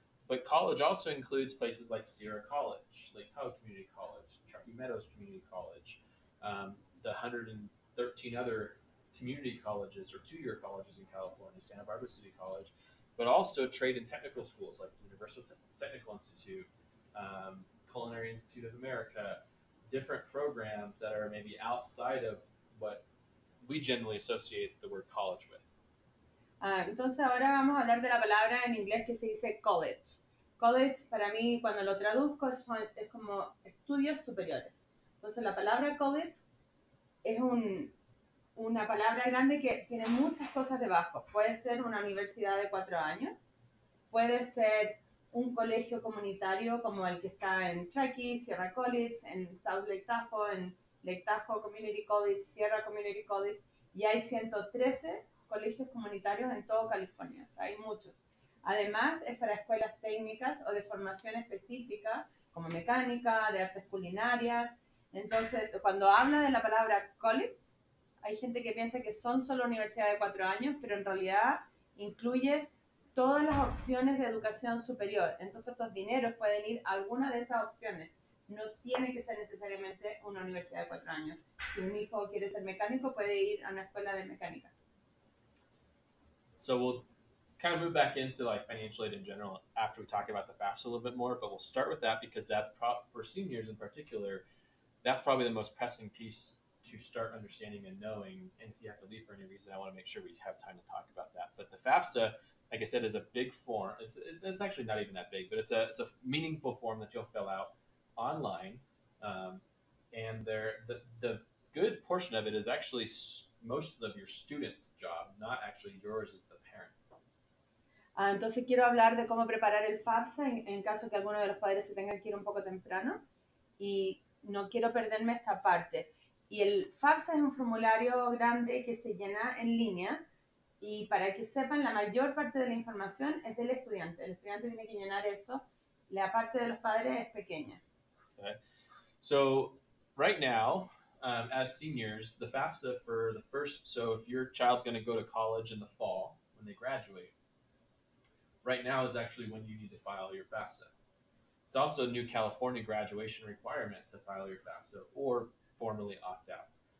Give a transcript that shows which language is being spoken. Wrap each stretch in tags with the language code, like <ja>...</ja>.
<en>But college also includes places like Sierra College, Lake Tahoe Community College, Truckee Meadows Community College, the 113 other community colleges or two-year colleges in California, Santa Barbara City College, but also trade and technical schools like Universal Technical Institute, Culinary Institute of America, different programs that are maybe outside of what we generally associate the word college with.</en> <es>Entonces ahora vamos a hablar de la palabra en inglés que se dice college. College para mí cuando lo traduzco es como estudios superiores. Entonces la palabra college es una palabra grande que tiene muchas cosas debajo. Puede ser una universidad de 4 años, puede ser un colegio comunitario como el que está en Truckee, Sierra College, en South Lake Tahoe, en Lake Tahoe Community College, Sierra Community College, y hay 113 colegios comunitarios en todo California. O sea, hay muchos. Además, es para escuelas técnicas o de formación específica, como mecánica, de artes culinarias. Entonces, cuando habla de la palabra college, hay gente que piensa que son solo universidades de 4 años, pero en realidad incluye todas las opciones de educación superior. Entonces, estos dineros pueden ir a alguna de esas opciones. No tiene que ser necesariamente una universidad de 4 años. Si un hijo quiere ser mecánico, puede ir a una escuela de mecánica.</es> <en>So we'll kind of move back into like financial aid in general after we talk about the FAFSA a little bit more, but we'll start with that because that's for seniors in particular, that's probably the most pressing piece to start understanding and knowing. And if you have to leave for any reason, I want to make sure we have time to talk about that. But the FAFSA, like I said, is a big form. It's actually not even that big, but it's a meaningful form that you'll fill out online. And the good portion of it is actually most of your student's job, not actually yours as the parent.</en> <es>Entonces quiero hablar de cómo preparar el FAFSA en caso que alguno de los padres se tenga que ir un poco temprano. Y no quiero perderme esta parte. Y el FAFSA es un formulario grande que se llena en línea. Y para que sepan, la mayor parte de la información es del estudiante. El estudiante tiene que llenar eso. La parte de los padres es pequeña.</es> <en>Okay. So, right now, as seniors, the FAFSA for the first, so if your child's going to go to college in the fall when they graduate, right now is actually when you need to file your FAFSA. It's also a new California graduation requirement to file your FAFSA or formally opt out.</en>